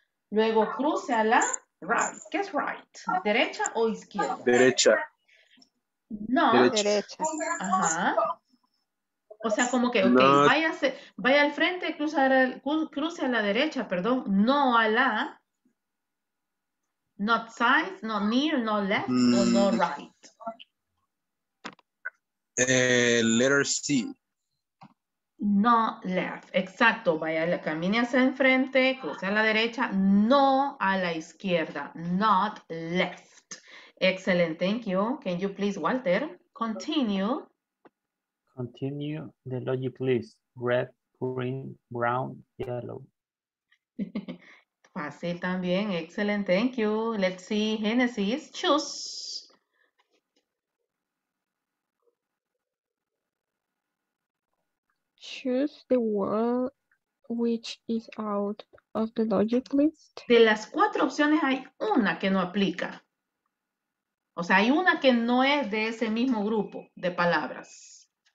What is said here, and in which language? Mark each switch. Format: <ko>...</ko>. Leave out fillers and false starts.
<es>Luego cruce a la right. ¿Qué es right? ¿Derecha o izquierda? Derecha. No. Derecha. Ajá. O sea, como que, ok, váyase, vaya al frente, cruce a la derecha, perdón. No a la.</es> <en>Not side, not near, not left, no, no right. Letter C.</en> <es>No left, exacto, vaya, camine hacia enfrente, cruce a la derecha, no a la izquierda,</es> <en>not left. Excellent, thank you. Can you please, Walter, continue? Continue the logic, please. Red, green, brown, yellow.</en> <es>Fácil también,</es> <en>excellent, thank you. Let's see, Genesis, choose. Choose the word which is out of the logic list.</en> <es>De las cuatro opciones hay una que no aplica. O sea, hay una que no es de ese mismo grupo de palabras.</es>